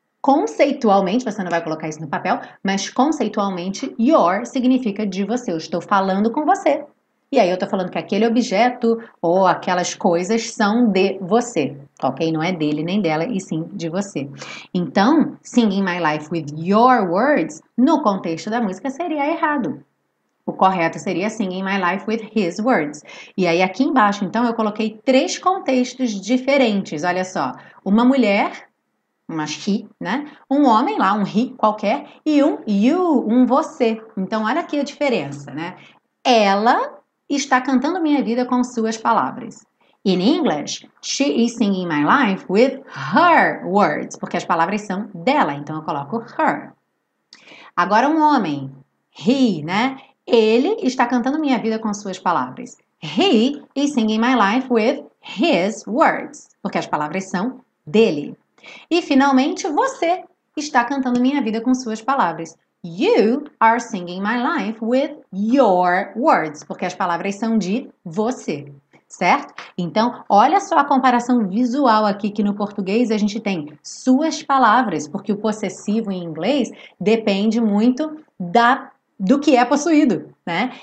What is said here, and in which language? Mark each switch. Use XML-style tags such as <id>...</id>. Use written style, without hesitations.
<pt>Conceitualmente, você não vai colocar isso no papel, mas conceitualmente, your significa de você. Eu estou falando com você. E aí eu estou falando que aquele objeto ou aquelas coisas são de você, ok? Não é dele nem dela, e sim de você. Então,</pt> <en>singing my life with your words,</en> <pt>no contexto da música, seria errado. O correto seria</pt> <en>singing my life with his words.</en> <pt>E aí aqui embaixo, então, eu coloquei três contextos diferentes. Olha só, uma mulher, uma she, né? Um homem lá, um he qualquer, e um you, um você. Então, olha aqui a diferença, né? Ela está cantando minha vida com suas palavras.</pt> <en>In English, she is singing my life with her words,</en> <pt>porque as palavras são dela, então eu coloco her. Agora um homem, he, né? Ele está cantando minha vida com suas palavras.</pt> <en>He is singing my life with his words,</en> <pt>porque as palavras são dele. E finalmente, você está cantando minha vida com suas palavras.</pt> <en>You are singing my life with your words,</en> <pt>porque as palavras são de você, certo? Então, olha só a comparação visual aqui, que no português a gente tem suas palavras, porque o possessivo em inglês depende muito do que é possuído, né?</pt>